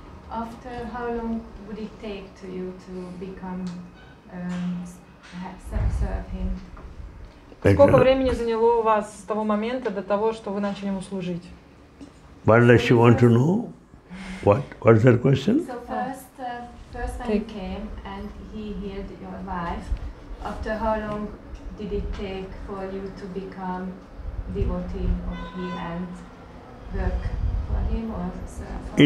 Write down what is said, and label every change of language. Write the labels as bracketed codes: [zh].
[en] After how long would it take to you to become serve him? [ru] Сколько времени заняло у вас с того момента до того, что вы начали ему служить? [en] What does she want to know? What? What is her question? So first time he came and he healed your wife. After how long did it take for you to become devotee of him and work for him or serve him?